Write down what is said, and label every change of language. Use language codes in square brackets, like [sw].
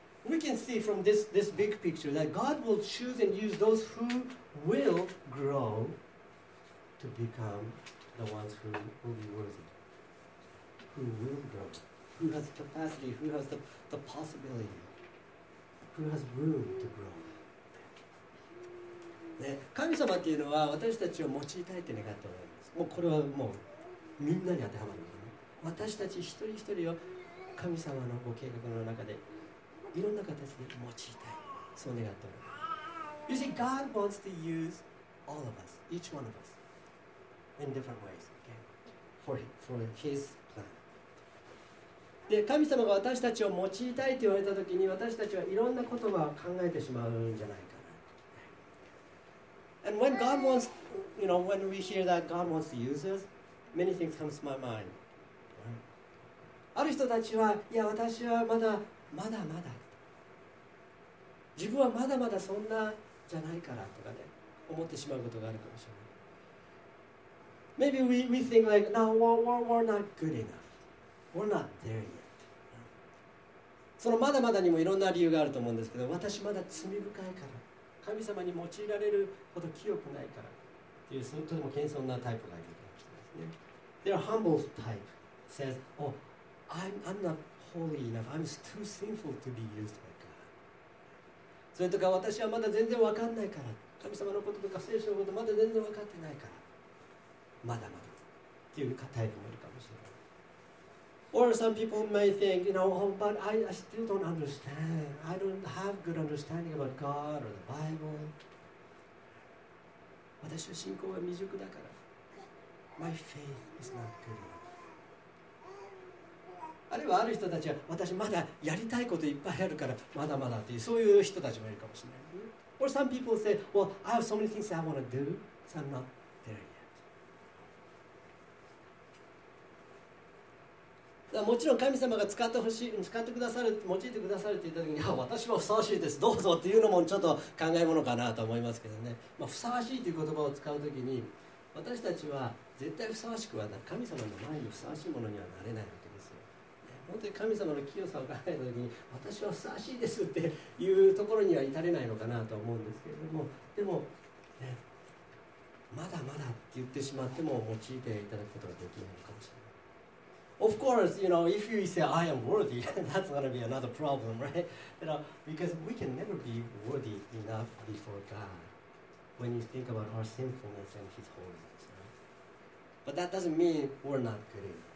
[en] We can see from this big picture that God will choose and use those who will grow to become the ones who will be worthy. Who will grow? Who has the capacity? Who has the possibility? Who has room to grow? [ja] ね、神様っていうのは私たちを用いたいって願っております。もうこれはもうみんなに当てはまるんですね。私たち一人一人を神様のご計画の中でいろんな形で用いたい。そう願っております。 [en] You see, God wants to use all of us, each one of us, in different ways, okay? For His plan. [ja] で、神様が私たちを用いたいと言われたときに、私たちはいろんな言葉を考えてしまうんじゃないかな。 [en] And when God wants, you know, when we hear that God wants to use us, many things come to my mind. [ja] ある人たちは、いや、私はまだ、自分はまだまだそんなじゃないからとかね、思ってしまうことがあるかもしれない。 [en] Maybe we think like, no, we're not good enough. We're not there yet. [ja] そのまだまだにもいろんな理由があると思うんですけど、私まだ罪深いから、神様に用いられるほど清くないからっていう、とても謙遜なタイプがいるかもしれないですね。 [en] Their humble type says, oh,I'm not holy enough. I'm too sinful to be used by God. [ja] それとか私はまだ全然分かんないから、神様のこととか聖書のことまだ全然分かってないから、まだまだっていう方にもいるかもしれない。 [en] Or some people may think, you know, oh, but I still don't understand. I don't have good understanding about God or the Bible. [ja] 私は信仰は未熟だから。 [en] My faith is not good enough. [ja] あるいはある人たちは、私まだやりたいこといっぱいあるから、まだまだっていう、そういう人たちもいるかもしれない。 [en] Or some people say, well, I have so many things I want to do, so I'm not there yet. [ja] もちろん神様が使ってくださる、用いてくださるって言った時に、私はふさわしいです、どうぞっていうのもちょっと考えものかなと思いますけどね。まあ、ふさわしいという言葉を使う時に、私たちは絶対ふさわしくはない、神様の前にふさわしいものにはなれない。本当に神様の清さを考えたときに、私はふさわしいですっていうところには至れないのかなと思うんですけれども、でも、ね、まだまだって言ってしまっても用いていただくことができないのかもしれない。 [en] Of course, you know, if you say I am worthy, that's going to be another problem, right? You know, because we can never be worthy enough before God when you think about our sinfulness and His holiness. But that doesn't mean we're not good enough.